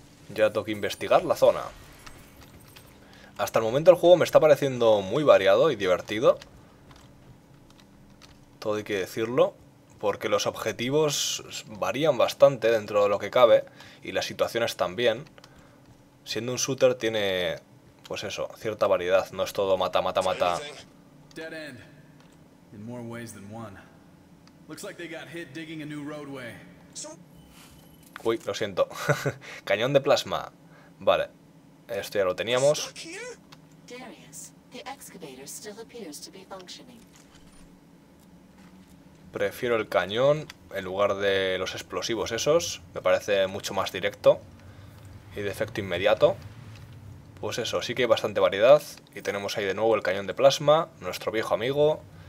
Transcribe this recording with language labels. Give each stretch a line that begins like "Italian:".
Spanish: Ya tengo que investigar la zona. Hasta el momento el juego me está pareciendo muy variado y divertido. Todo hay que decirlo. porque los objetivos varían bastante dentro de lo que cabe y las situaciones también. Siendo un shooter tiene, pues eso, cierta variedad, no es todo mata, mata, mata.
English: Dead end. In more ways than one. Looks like they got hit digging a new roadway.
Spanish: Uy, lo siento. Cañón de plasma. Vale. Esto ya lo teníamos.
English: Darius, the excavator still appears to be functioning.
Spanish: Prefiero el cañón en lugar de los explosivos esos. Me parece mucho más directo y de efecto inmediato. Pues eso, sí que hay bastante variedad. Y tenemos ahí de nuevo el cañón de plasma, nuestro viejo amigo.